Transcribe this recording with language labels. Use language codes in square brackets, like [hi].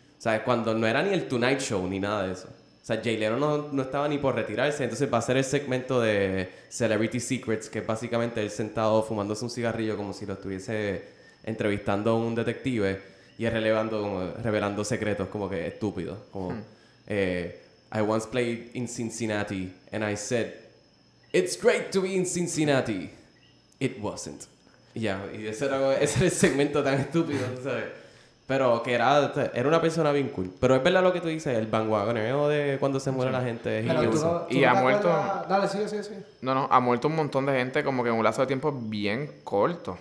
[es] O sea, cuando no era ni el Tonight Show ni nada de eso. O sea, Jay Leno no estaba ni por retirarse. Entonces va a ser el segmento de Celebrity Secrets, que es básicamente él sentado fumándose un cigarrillo como si lo estuviese entrevistando a un detective y es revelando secretos como que estúpido. [en] Como, I once played in Cincinnati and I said, it's great to be in Cincinnati. It wasn't. [es] Yeah, y ese era el segmento tan estúpido, ¿sabes? Pero que era una persona bien cool. Pero es verdad lo que tú dices, el vanguardismo de cuando se muere la gente. Y ha muerto... Dale, sigue. No, ha muerto un montón de gente como que en un lazo de tiempo bien corto.